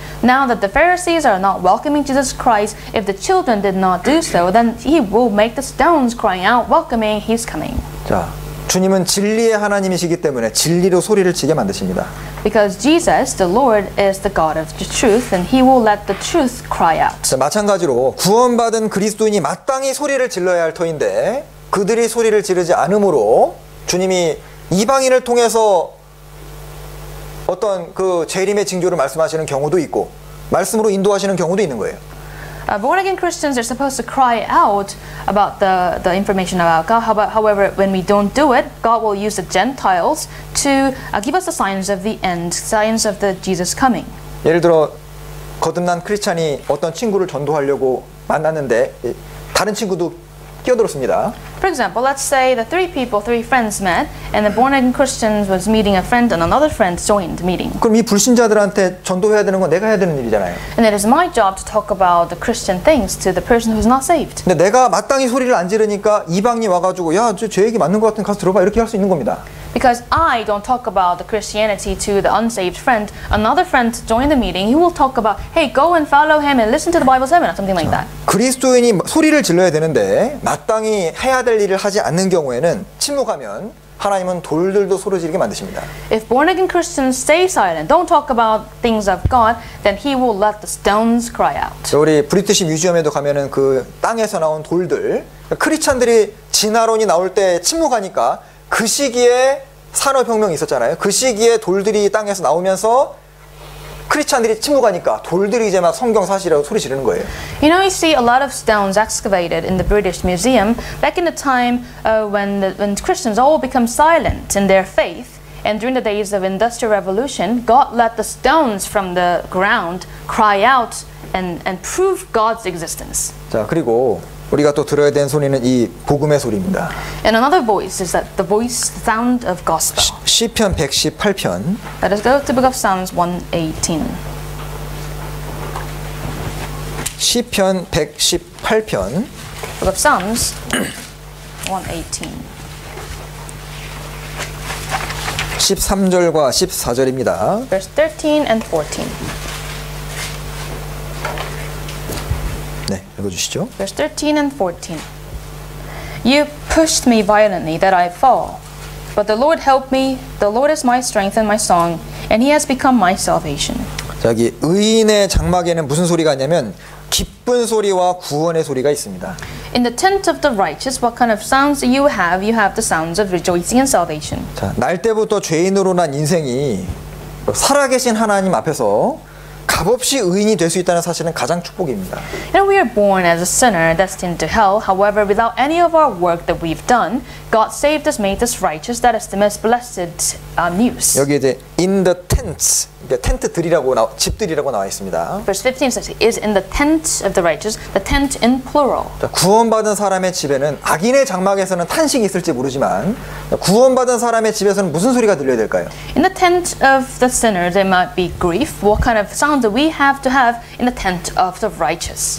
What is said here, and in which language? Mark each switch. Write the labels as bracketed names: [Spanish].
[English] Now that the Pharisees are not welcoming Jesus Christ, if the children did not do so, then he will make the stones crying out, welcoming his coming. [Korean] 자, 주님은 진리의 하나님이시기 때문에 진리로 소리를 지게 만드십니다. [English] Because Jesus, the Lord, is the God of the truth, and he will let the truth cry out. [Korean] 자, 마찬가지로 구원받은 그리스도인이 마땅히 소리를 질러야 할 터인데 그들이 소리를 지르지 않으므로 주님이 이방인을 통해서 어떤 그 재림의 징조를 말씀하시는 경우도 있고 말씀으로 인도하시는 경우도 있는 거예요. [English] Born again Christians are supposed to cry out about the information about God. However, when we don't do it, God will use the Gentiles to give us the signs of the end, signs of the Jesus coming. [Korean] 예를 들어 거듭난 크리스찬이 어떤 친구를 전도하려고 만났는데 다른 친구도 끼어들었습니다. [English] For example, let's say the three people, three friends met, and the born-again Christians was meeting a friend, and another friend joined the meeting. [Korean] 그럼 이 불신자들한테 전도해야 되는 건 내가 해야 되는 일이잖아요. [English] And it is my job to talk about the Christian things to the person who is not saved. [Korean] 근데 내가 마땅히 소리를 안 지르니까 이방인이 와가지고 야, 제 얘기 맞는 것 같은 가서 들어봐 이렇게 할 수 있는 겁니다. [English] Because I don't talk about the Christianity to the unsaved friend, another friend joined the meeting. He will talk about, hey, go and follow him and listen to the Bible sermon or something like that. [Korean] 그리스도인이 소리를 질러야 되는데 마땅히 해야 될 일을 하지 않는 경우에는 침묵하면 하나님은 돌들도 소리 지르게 만드십니다. [English] If born again Christians stay silent, don't talk about things of God, then he will let the stones cry out. [Korean] 우리 브리티시 뮤지엄에도 가면은 그 땅에서 나온 돌들, 크리스천들이 진화론이 나올 때 침묵하니까 그 시기에 산업혁명이 있었잖아요. 그 시기에 돌들이 땅에서 나오면서 크리스찬들이 침묵하니까 돌들이 이제 막 성경 사실이라고 소리 지르는 거예요. [English] You know, you see a lot of stones excavated in the British Museum back in the time when Christians all become silent in their faith and during the days of Industrial Revolution, God let the stones from the ground cry out and prove God's existence. [Korean] 자, 그리고 우리가 또 들어야 되는 소리는 이 복음의 소리입니다. [English] And another voice is that the voice, the sound of gospel. [Korean] 시편 118편. [English] Let us go to the book of Psalms 118. [Korean] 시편 118편. [English] Book of Psalms 118. [Korean] 13절과 14절입니다. [English] Verse 13 and 14. [Korean] 네, 읽어주시죠. [English] Verse 13 and 14. You pushed me violently that I fall. But the Lord helped me. The Lord is my strength and my song. And he has become my salvation. [Korean] 자, 여기 의인의 장막에는 무슨 소리가 있냐면 기쁜 소리와 구원의 소리가 있습니다. [English] In the tent of the righteous, what kind of sounds do you have? You have the sounds of rejoicing and salvation. [Korean] 자, 날 때부터 죄인으로 난 인생이 살아계신 하나님 앞에서 값없이 의인이 될 수 있다는 사실은 가장 축복입니다. [English] You know, we are born as a sinner, destined to hell. However, without any of our work that we've done, God saved us, made us righteous. That is the most blessed news. [Korean] 여기 이제 [English] in the tents, [Korean] 그러니까 텐트들이라고 집들이라고 나와 있습니다. [English] Verse 15 says, "Is in the tent of the righteous, the tent in plural." [Korean] 구원받은 사람의 집에는 악인의 장막에서는 탄식이 있을지 모르지만 구원받은 사람의 집에서는 무슨 소리가 들려야 될까요? [English] In the tent of the sinner, there might be grief. What kind of sound do we have to have in the tent of the righteous?